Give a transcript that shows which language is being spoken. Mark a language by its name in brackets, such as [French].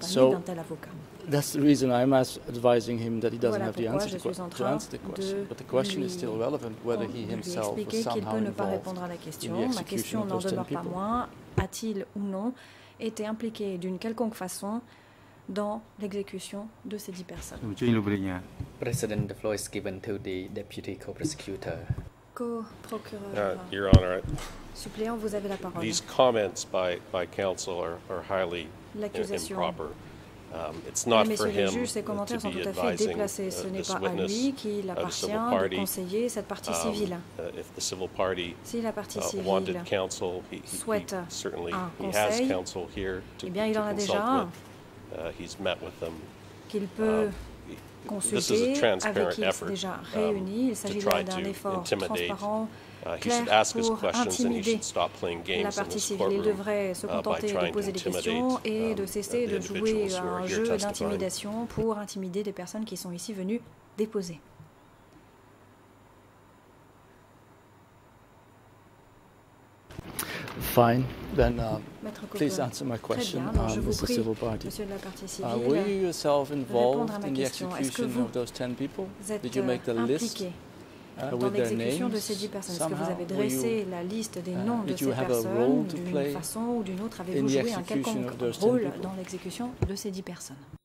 [English] So that's the reason I'm advising him that he doesn't have the answer to answer the question. But the question is still relevant whether he himself was somehow involved. [French] Pas répondre à la question. Ma question n'en demeure pas moins. A-t-il ou non été impliqué d'une quelconque façon dans l'exécution de ces 10 personnes? [English] President, the floor is given to the deputy co-prosecutor. [French] Co-procureur. [English] Your Honor, [French] suppléant, vous avez la parole. [English] These comments by counsel are highly improper. It's not for him to be advising this witness of the civil party. If the civil party wanted counsel, he certainly he has counsel here to consult with. He's met with them. This is a transparent effort to try to intimidate. He should ask his questions and he should stop playing games in this courtroom. [French] Il devrait se contenter de poser des questions et de cesser de jouer à un jeu d'intimidation pour intimider des personnes qui sont ici venues déposer. [English] Fine, then please answer my question, Mr. Civil Party. Were you yourself involved in the execution of those 10 people? Did you make the list? [French] Dans l'exécution de ces 10 personnes, est-ce que vous avez dressé la liste des noms de ces personnes d'une façon ou d'une autre? Avez-vous joué un quelconque rôle dans l'exécution de ces 10 personnes?